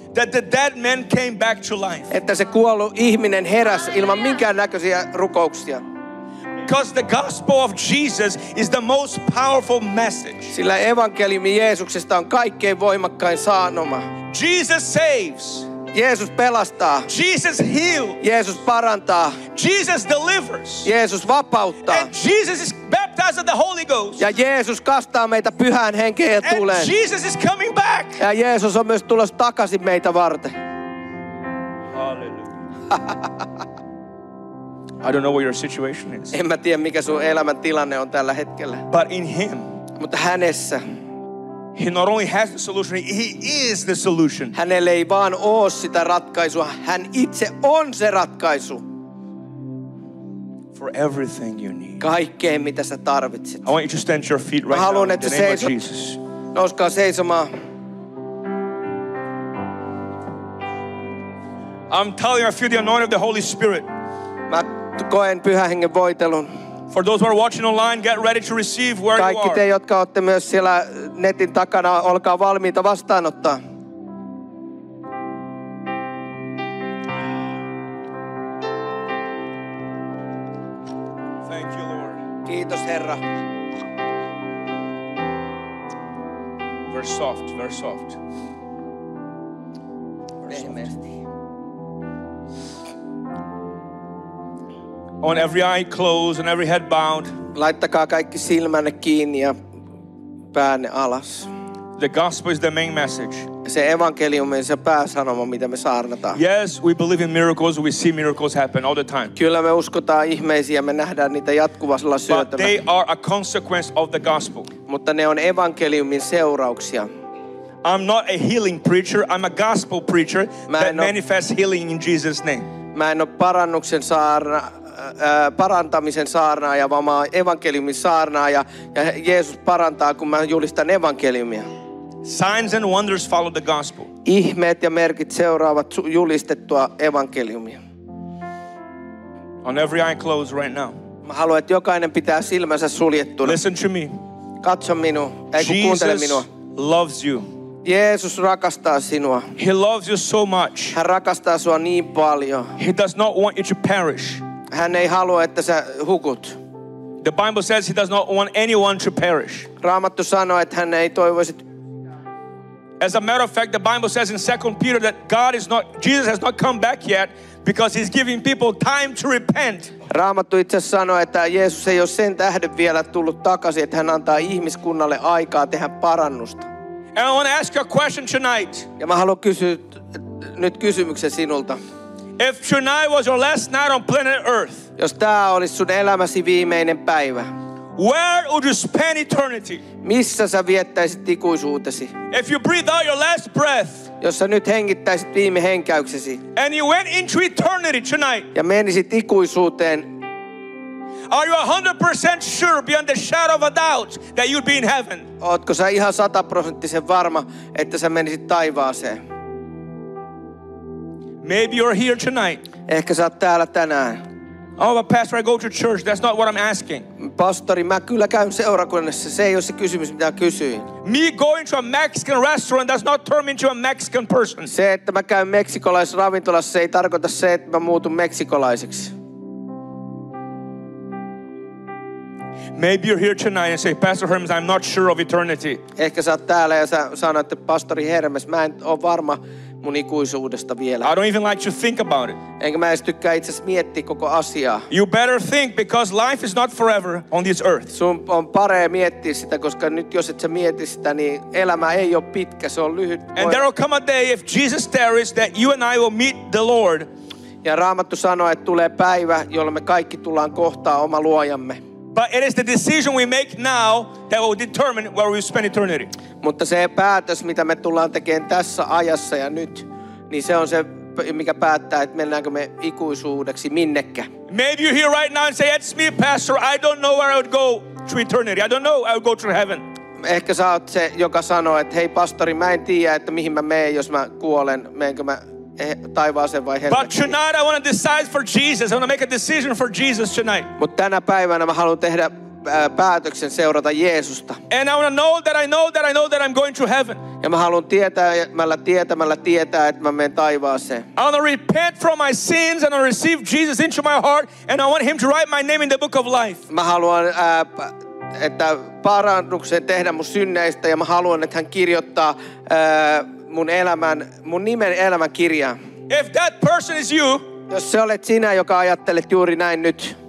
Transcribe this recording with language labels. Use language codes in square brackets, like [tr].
[en] That the dead man came back to life. [fi] Että se kuollut ihminen heräsi ilman minkään näköisiä rukouksia. [en] Because the gospel of Jesus is the most powerful message. [fi] Sillä evankeliumi Jeesuksesta on kaikkein voimakkain sanoma. [en] Jesus saves. [fi] Jeesus pelastaa. [en] Jesus heals. [fi] Jeesus parantaa. [en] Jesus delivers. [fi] Jeesus vapauttaa. [en] And Jesus is baptized with the Holy Ghost. [fi] Ja Jeesus kastaa meitä Pyhän Henkeen ja tuleen. [en] And Jesus is coming back. [fi] Ja Jeesus on myös tulossa takaisin meitä varten. [en] Hallelujah. I don't know what your situation is. [fi] En mä tiedä mikä sun elämän tilanne on tällä hetkellä. [en] But in him. [fi] Mutta hänessä. [en] He not only has the solution, he is the solution. [fi] Hänellä ei vaan oo sitä ratkaisua, hän itse on se ratkaisu. [en] For everything you need. [fi] Kaikkeen mitä sä tarvitset. [en] I want you to stand your feet right now. [fi] Haluan että seisot. Nouskaa seisomaan. [en] I'm telling you, I feel the anointing of the Holy Spirit. [fi] Mä koen Pyhän Hengen voitelun. [en] For those who are watching online, get ready to receive where [fi] kaikki [en] you are. [fi] Kaikki te, jotka olette myös siellä netin takana, olkaa valmiita vastaanottaa. [en] Thank you, Lord. [fi] Kiitos, Herra. [en] Very soft. On every eye closed and every head bowed. [fi] Laittakaa kaikki silmänne kiinni ja päänne alas. [en] The gospel is the main message. [fi] Se evankeliumi on se pääsanoma, mitä me saarnataan. [en] Yes, we believe in miracles. We see miracles happen all the time. [fi] Kyllä me uskotaan ihmeisiä ja me nähdään niitä jatkuvalla syötönä. [en] But they are a consequence of the gospel. [fi] Mutta ne on evankeliumin seurauksia. [en] I'm not a healing preacher. I'm a gospel preacher that manifests healing in Jesus' name. [fi] Mä en ole parannuksen saarna. Parantamisen saarnaaja, vaan mä oon evankeliumin saarnaaja ja Jeesus parantaa, kun mä julistan evankeliumia. [en] Signs and wonders follow the gospel. [fi] Ihmeet ja merkit seuraavat julistettua evankeliumia. [en] On every eye closed right now. [fi] Mä haluan, että jokainen pitää silmänsä suljettuna. [en] Listen to me. [fi] Katso minua, ei kun kuuntele minua. [en] Jesus loves you. [fi] Jeesus rakastaa sinua. [en] He loves you so much. [fi] Hän rakastaa sua niin paljon. [en] He does not want you to perish. [fi] Hän ei halua, että sä hukut. [en] The Bible says he does not want anyone to perish. [fi] Raamattu sanoo, että hän ei toivoisi. [en] As a matter of fact, the Bible says in 2 Peter that God is not, Jesus has not come back yet because he's giving people time to repent. [fi] Raamattu itse sanoo, että Jeesus ei ole sen tähden vielä tullut takaisin, että hän antaa ihmiskunnalle aikaa tehdä parannusta. [en] And I want to ask you a question tonight. [fi] Ja mä haluan kysyä nyt kysymyksen sinulta. [en] If tonight was your last night on planet Earth, [fi] jos tää olisi sun elämäsi viimeinen päivä, [en] where would you spend eternity? [fi] Missä sä viettäisit ikuisuutesi? [en] If you breathe out your last breath, [fi] jos sä nyt hengittäisit viime henkäyksesi, [en] and you went into eternity tonight, [fi] ja menisit ikuisuuteen, [en] are you 100% sure beyond the shadow of a doubt that you'd be in heaven? [fi] Ootko sä ihan 100% varma, että sä menisit taivaaseen? [en] Maybe you're here tonight. [fi] Ehkä sä oot täällä tänään. [en] Oh, but pastor, I go to church. That's not what I'm asking. [fi] Pastori, mä kyllä käyn seurakunnassa. Se ei ole se kysymys, mitä kysyin. [en] Me going to a Mexican restaurant does not turn me into a Mexican person. [fi] Se, että mä käyn meksikolaisravintolassa, se ei tarkoita se, että mä muutun meksikolaiseksi. [en] Maybe you're here tonight and say, Pastor Hermes, I'm not sure of eternity. [fi] Ehkä sä oot täällä ja sä sanot, että pastori Hermes, mä en ole varma mun ikuisuudesta vielä. [en] I don't even like to think about it. [fi] Enkä mä edes tykkää itse asiassa miettiä koko asiaa. [en] You better think because life is not forever on this earth. [fi] Sun on parempi miettiä sitä, koska nyt jos et sä mieti sitä, niin elämä ei ole pitkä, se on lyhyt. [en] And there will come a day if Jesus tarries that you and I will meet the Lord. [fi] Ja Raamattu sanoo, että tulee päivä, jolloin me kaikki tullaan kohtaa oma luojamme. [en] But it is the decision we make now that will determine where we spend eternity. [fi] Mutta se päätös, mitä me tullaan tekemään tässä ajassa ja nyt, niin se on se, mikä päättää, että mennäänkö me ikuisuudeksi minnekä. [en] Maybe you're here right now and say, it's me, pastor, I don't know where I would go to eternity. I don't know, I would go to heaven. [fi] Ehkä sä oot se, joka sanoo, että hei pastori, mä en tiedä, että mihin mä meen, jos mä kuolen, meenkö mä taivaaseen vai helvettiin. [en] But tonight I want to decide for Jesus. I want to make a decision for Jesus tonight. [fi] Mutta tänä päivänä mä haluan tehdä päätöksen seurata Jeesusta. [en] And I want to know that I know that I know that I'm going to heaven. [fi] Ja mä haluan tietämällä tietää, että mä menen taivaaseen. [en] I want to repent from my sins and I receive Jesus into my heart and I want him to write my name in the book of life. [fi] Mä haluan että parannuksen tehdä mun synneistä ja mä haluan että hän kirjoittaa mun elämän, mun nimen elämän kirja. [en] If that person is you, [fi] jos se olet sinä, joka ajattelet juuri näin nyt,